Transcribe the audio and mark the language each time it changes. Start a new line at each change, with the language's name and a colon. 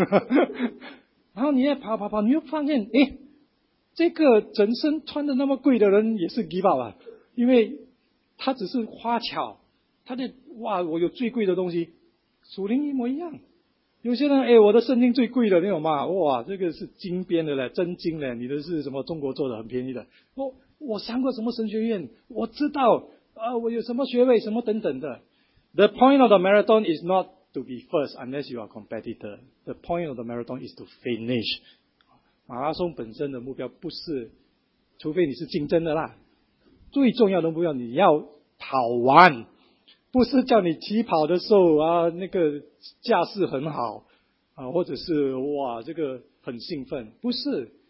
Chinese: 然后你也跑跑跑，你又发现，诶，这个整身穿的那么贵的人也是
English: give up
Chinese: 了，因为他只是花巧，他就哇，我有最贵的东西，属灵一模一样。有些人，诶，我的圣经最贵的那种嘛，哇，这个是金编的嘞，真金嘞，你的是什么中国做的，很便宜的。我上过什么神学院，我知道，我有什么学位，什么等等的。
English: The point of the marathon is not. To be first, unless you are competitor. The point of the marathon is to finish.
Chinese: 马拉松本身的目标不是，除非你是竞争的啦。最重要的目标你要跑完，不是叫你起跑的时候啊，那个架势很好啊，或者是哇这个很兴奋，不是。